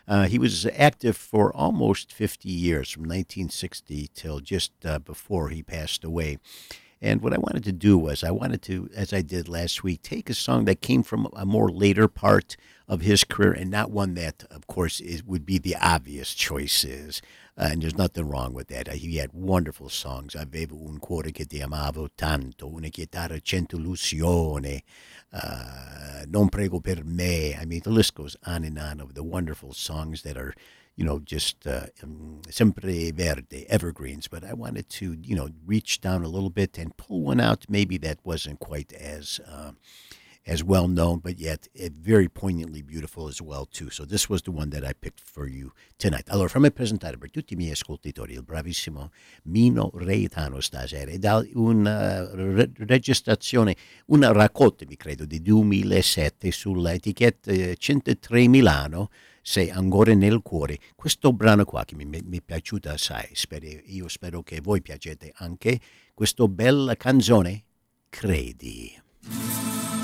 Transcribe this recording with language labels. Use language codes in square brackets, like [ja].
[en] He was active for almost 50 years, from 1960 till just before he passed away. And what I wanted to do was, I wanted to, as I did last week, take a song that came from a more later part of his career, and not one that, of course, is, would be the obvious choices. And there's nothing wrong with that. He had wonderful songs. [it] Avevo un cuore che ti amavo tanto, una chitarra cento lusione, non prego per me. [en] I mean, the list goes on and on of the wonderful songs that are, you know, just [it] sempre verde, [en] evergreens. But I wanted to, you know, reach down a little bit and pull one out maybe that wasn't quite as well known, but yet very poignantly beautiful as well, too. So this was the one that I picked for you tonight. [it] Allora, fammi presentare per tutti I miei ascoltatori il bravissimo Mino Retano stasera. Da una registrazione, una raccolta, mi credo, di 2007 sull'etichetta 103 Milano, Sei ancora nel cuore. Questo brano qua che mi è piaciuto assai, io spero che voi piacete anche, questo bella canzone, Credi.